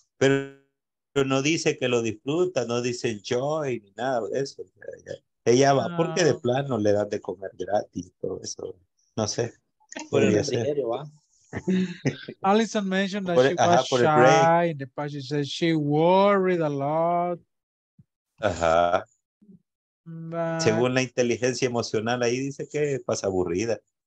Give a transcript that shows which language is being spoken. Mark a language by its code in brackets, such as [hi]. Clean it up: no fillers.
[es] Pero no dice que lo disfruta, no dice enjoy ni nada de eso. Ella va porque de plano le dan de comer gratis, todo eso. No sé. Por el dinero, ¿va? [en] Alison mentioned that por, she ajá, was shy. In the past she said she worried a lot. Ajá. But... [es] Según la inteligencia emocional, ahí dice que pasa aburrida.